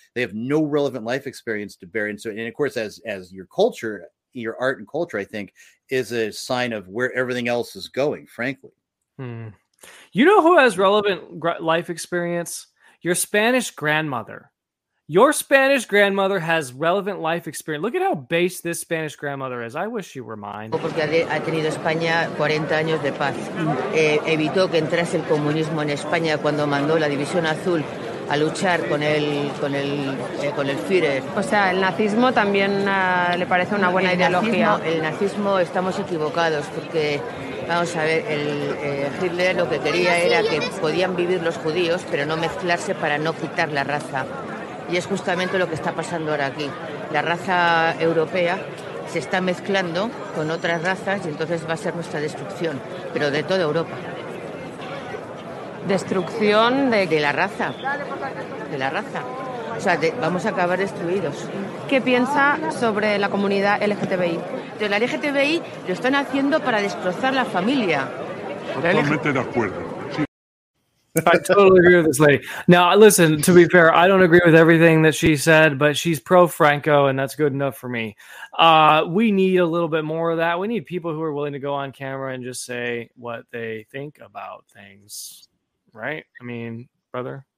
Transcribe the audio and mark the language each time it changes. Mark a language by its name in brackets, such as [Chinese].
[English] They have no relevant life experience to bear. And of course, as your culture, your art and culture, I think, is a sign of where everything else is going, frankly. Hmm. You know who has relevant life experience? Your Spanish grandmother. Your Spanish grandmother has relevant life experience. Look at how base this Spanish grandmother is. I wish she were mine. [Spanish] Porque ha tenido España 40 años de paz. Evitó que entrase el comunismo en España cuando mandó la División Azul a luchar con el Führer. O sea, el nazismo también le parece una buena ideología. El nazismo estamos equivocados porque, vamos a ver, Hitler lo que quería era que podían vivir los judíos, pero no mezclarse para no quitar la raza. Y es justamente lo que está pasando ahora aquí. La raza europea se está mezclando con otras razas y entonces va a ser nuestra destrucción, pero de toda Europa. Destrucción de la raza. De la raza. O sea, vamos a acabar destruidos. ¿Qué piensa sobre la comunidad LGTBI? La LGTBI lo están haciendo para destrozar la familia. Totalmente de acuerdo. [English] I totally agree with this lady. Now, listen, to be fair, I don't agree with everything that she said, but she's pro-Franco, and that's good enough for me. We need a little bit more of that. We need people who are willing to go on camera and just say what they think about things. Right? I mean, brother?